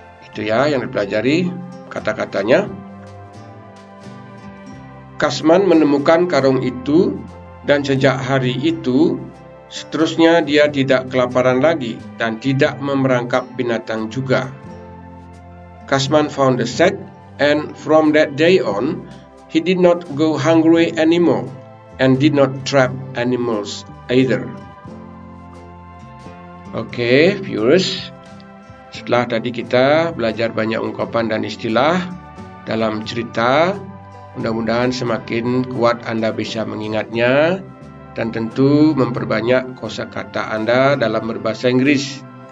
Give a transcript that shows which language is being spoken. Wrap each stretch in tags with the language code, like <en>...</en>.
<id>Itu ya yang dipelajari kata-katanya. Kasman menemukan karung itu, dan sejak hari itu seterusnya dia tidak kelaparan lagi dan tidak memerangkap binatang juga.</id> <en>Kasman found the sack, and from that day on, he did not go hungry anymore, and did not trap animals either.</en> <id>Okay, viewers, setelah tadi kita belajar banyak ungkapan dan istilah dalam cerita, mudah-mudahan semakin kuat Anda bisa mengingatnya, dan tentu memperbanyak kosakata Anda dalam berbahasa Inggris.</id>